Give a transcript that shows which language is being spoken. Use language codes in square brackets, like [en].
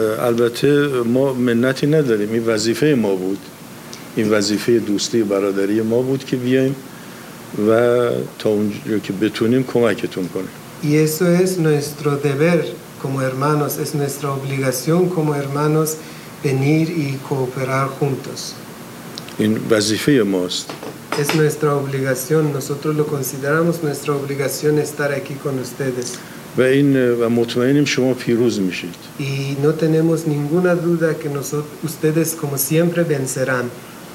[fa] البته ما منتی نداریم، این وظیفه ما بود، این وظیفه دوستی برادری ما بود که بیایم و تا اونجا که بتونیم کمکتون کنیم. [es] Y eso es nuestro deber como hermanos, es nuestra obligación como hermanos venir y cooperar juntos. [fa] این وظیفه ماست. [es] Es nuestra obligación, nosotros lo consideramos nuestra obligación estar aquí con ustedes. [fa] و این و مطمئنیم شما پیروز میشید. [es] Y no tenemos ninguna duda que ustedes como siempre vencerán.